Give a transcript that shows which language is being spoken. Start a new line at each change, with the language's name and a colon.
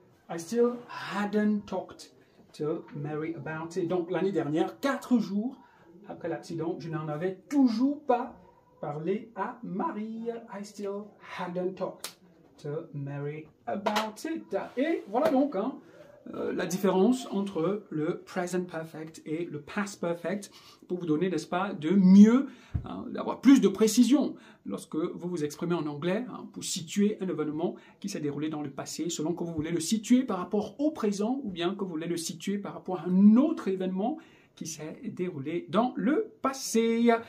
English: I still hadn't talked to Mary about it.
French: Donc, l'année dernière, 4 jours après l'accident, je n'en avais toujours pas parlé à Marie.
English: I still hadn't talked to Mary about it.
French: Et voilà donc la différence entre le present perfect et le past perfect pour vous donner, n'est-ce pas, de mieux, d'avoir plus de précision lorsque vous vous exprimez en anglais pour situer un événement qui s'est déroulé dans le passé selon que vous voulez le situer par rapport au présent ou bien que vous voulez le situer par rapport à un autre événement qui s'est déroulé dans le passé.